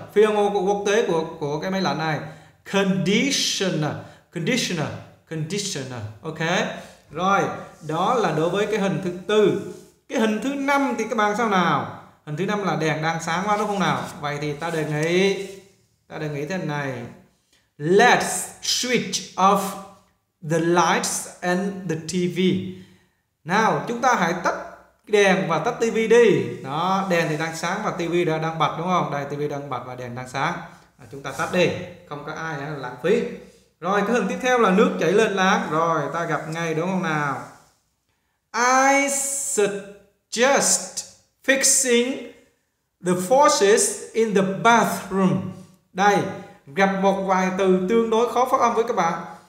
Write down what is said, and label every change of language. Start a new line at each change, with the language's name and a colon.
Vietnamese: Phiên ngôn quốc tế của cái máy lạnh này, conditioner, conditioner, conditioner. Ok, rồi đó là đối với cái hình thứ tư. Cái hình thứ năm thì các bạn sao nào? Hình thứ năm là đèn đang sáng quá đúng không nào? Vậy thì ta đề nghị thế này.
English: Let's switch off the lights and the TV.
Vietnamese: Nào, chúng ta hãy tắt đèn và tắt tivi đi. Đó, đèn thì đang sáng và tivi đã đang bật đúng không? Đây, tivi đang bật và đèn đang sáng. Chúng ta tắt đi, không có ai là lãng phí. Rồi, cái hình tiếp theo là nước chảy lên láng. Rồi, ta gặp ngay đúng không nào?
English: I suggest fixing the faucets in the bathroom.
Vietnamese: Đây, gặp một vài từ tương đối khó phát âm với các bạn.